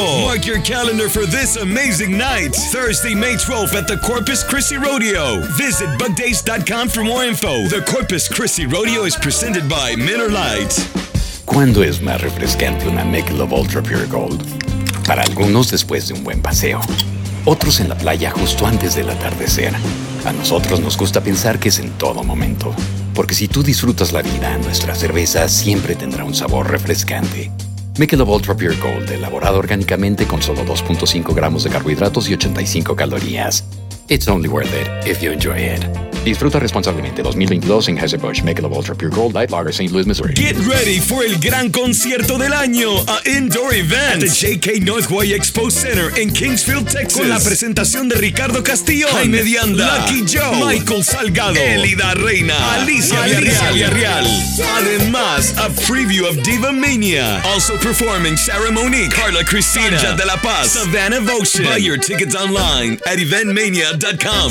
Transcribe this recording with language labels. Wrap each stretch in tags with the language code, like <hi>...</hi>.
<en>Mark your calendar for this amazing night, Thursday, May 12th at the Corpus Christi Rodeo. Visit bugdays.com for more info. The Corpus Christi Rodeo is presented by Miller Lite.</en> <es>¿Cuándo es más refrescante una Michelob Ultra Pure Gold? Para algunos, después de un buen paseo. Otros en la playa justo antes del atardecer. A nosotros nos gusta pensar que es en todo momento. Porque si tú disfrutas la vida, nuestra cerveza siempre tendrá un sabor refrescante. Michelob Ultra Pure Gold, elaborado orgánicamente con solo 2.5 gramos de carbohidratos y 85 calorías.</es> <en>It's only worth it if you enjoy it.</en> <es>Disfruta responsablemente 2022 en Anheuser-Busch Michelob Ultra Pure Gold Light Lager, St. Louis, Missouri.</es> <en>Get ready for</en> <es>el gran concierto del año,</es> <en>a indoor event at the JK Northway Expo Center in Kingsfield, Texas.</en> <es>Con la presentación de Ricardo Castillo, Jaime Dianda, Lucky Joe, Michael Salgado, Elida Reina, Alicia Villarreal.</es> <en>Además, a preview of Diva Mania. Also performing Sarah Monique, Carla Cristina, Sanja de la Paz, Savannah Votion. Buy your tickets online at eventmania.com.</en>